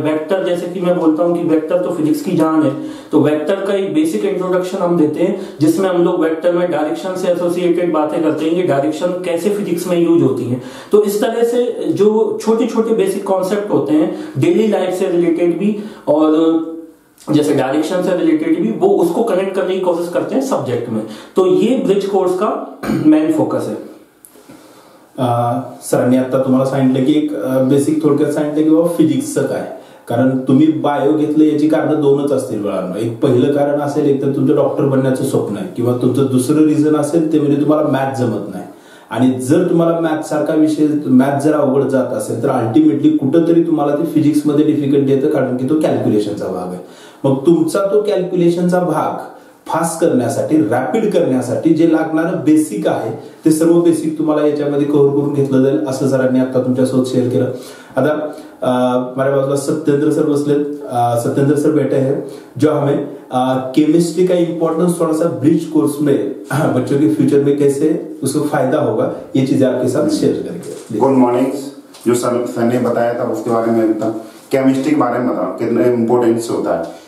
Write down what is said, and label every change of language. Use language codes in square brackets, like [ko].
[hi] Vector, जैसे कि मैं बोलता हूँ कि वेक्टर तो फिजिक्स की जान है, तो वेक्टर का एक बेसिक इंट्रोडक्शन हम देते हैं जिसमें हम लोग वेक्टर में डायरेक्शन से एसोसिएटेड बातें करते हैं, ये डायरेक्शन कैसे फिजिक्स में यूज होती है. तो इस तरह से जो छोटे छोटे बेसिक कॉन्सेप्ट होते हैं डेली लाइफ से रिलेटेड भी और जैसे डायरेक्शन से रिलेटेड भी, वो उसको कनेक्ट करने की कोशिश करते हैं सब्जेक्ट में. तो ये ब्रिज कोर्स का मेन फोकस है. [mr] सरांनी आता तुम्हाला सांगितलं की एक बेसिक थोडक्यात सांगितलं की बाबा फिजिक्सचं काय, कारण तुम्ही बायो घेतलं याची कारण दोनच असतील मुळांना. एक पहिलं कारण असेल एक तर तुमचं डॉक्टर बनण्याचं स्वप्न आहे, किंवा तुमचं दुसरं रिझन असेल ते म्हणजे तुम्हाला मॅथ जमत नाही. आणि जर तुम्हाला मॅथ सारखा विषय मॅथ जर अवघड जात असेल तर अल्टिमेटली कुठंतरी तुम्हाला ते फिजिक्समध्ये डिफिकल्ट येतं, कारण की तो कॅल्क्युलेशनचा भाग आहे. मग तुमचा तो कॅल्क्युलेशनचा भाग फास्ट करण्यासाठी, रॅपिड करण्यासाठी जे लागणारं बेसिक आहे ते सर्व बेसिक तुम्हाला याच्यामध्ये कव्हर करून घेतलं जाईल असं सरांनी आता तुमच्यासोबत शेअर केलं. आता माझ्या बाजूला सत्येंद्र सर बसलेत, [hi] सत्येंद्र सर बैठे हैं जो हमें केमिस्ट्री का इम्पॉर्टन्स थोड़ा सा ब्रिज कोर्स में बच्चों के फ्यूचर में कैसे उसको फायदा होगा ये चीजें आपके साथ शेयर करेंगे. गुड मॉर्निंग, जो सर ने बताया था उसके बारे में, केमिस्ट्री के बारे में बताओ कितना इम्पोर्टेंस होता है.